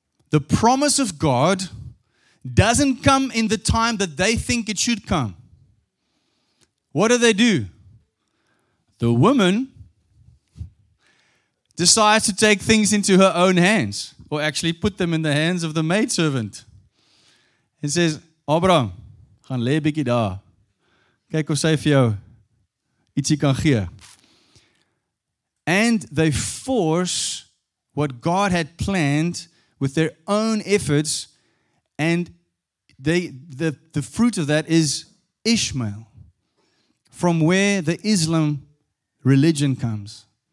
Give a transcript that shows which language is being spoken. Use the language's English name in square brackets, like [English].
[English] The promise of God doesn't come in the time that they think it should come. What do? The woman decides to take things into her own hands, or actually put them in the hands of the maidservant. [Afrikaans] And says, "Abraham, gaan lê bietjie daar. Kyk of sy vir jou ietsie kan gee." [English] And they force what God had planned with their own efforts, and the fruit of that is Ishmael, from where the Islam religion comes.